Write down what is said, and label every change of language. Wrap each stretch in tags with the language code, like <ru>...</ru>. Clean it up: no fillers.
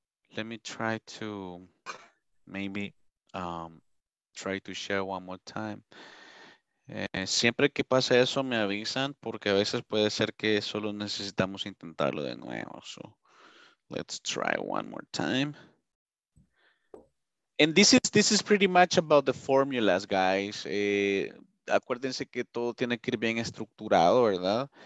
<en>Let me try to maybe try to share one more time.</en> <es>Siempre que pase eso me avisan porque a veces puede ser que solo necesitamos intentarlo de nuevo.</es> <en>So let's try one more time. And this is pretty much about the formulas, guys.</en> <es>Acuérdense que todo tiene que ir bien estructurado, ¿verdad?</es>